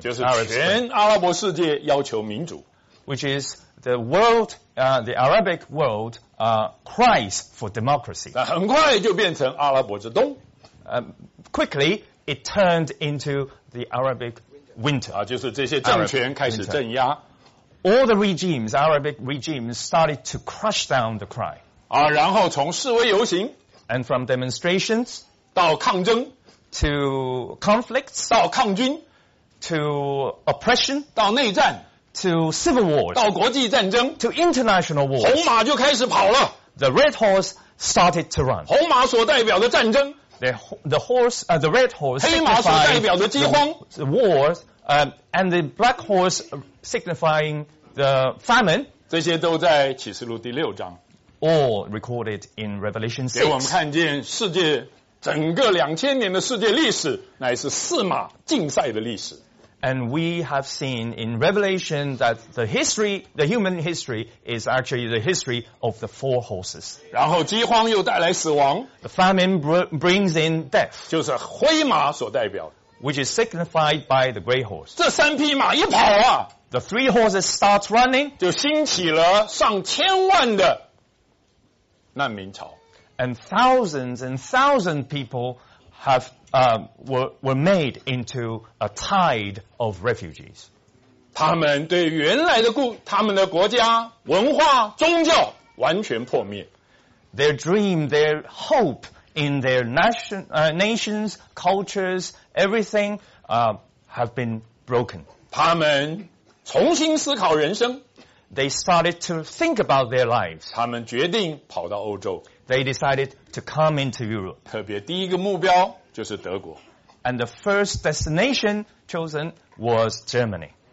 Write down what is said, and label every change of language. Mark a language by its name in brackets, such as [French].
[Chinese] 就是全阿拉伯世界要求民主 [English] which is the world, the Arabic world, cries for democracy. [Chinese] 那很快就变成阿拉伯之冬 [English] quickly it turned into the Arabic winter. [Chinese] 就是这些政权开始镇压 [English] all the regimes, Arabic regimes, started to crush down the cry. [Chinese] 然后从示威游行 [English] and from demonstrations [Chinese] 到抗争。 [English] To conflicts, [Chinese] 到抗军 [English] to oppression, [Chinese] 到内战 [English] to civil wars, [Chinese] 到国际战争 [English] to international wars, [Chinese] 红马就开始跑了 [English] the red horse started to run, [Chinese] 红马所代表的战争 [English] The red horse signifies the war, and the black horse signifying the famine. [Chinese] 这些都在启示录第六章。 [English] All recorded in Revelation 6. [Chinese] 给我们看见世界整个两千年的世界历史，乃是四马竞赛的历史。 [English] And we have seen in Revelation that the history, the human history is actually the history of the four horses. [Chinese] 然后饥荒又带来死亡。 [English] The famine brings in death. [Chinese] 就是灰马所代表的。 [English] Which is signified by the grey horse. [Chinese] 这三匹马一跑啊。 [English] The three horses start running. [Chinese] 就兴起了上千万的难民潮。 [English] And thousands and thousands of people have were made into a tide of refugees. [Chinese] 他们对原来的他们的国家文化宗教完全破灭。 [English] Their dream, their hope in their nations, cultures, everything have been broken. [Chinese] 他们重新思考人生。 [English] They started to think about their lives. [Chinese] 他们决定跑到欧洲。 [English] They decided to come into Europe. [Chinese] 特别第一个目标就是德国。 [English] And the first destination chosen was Germany.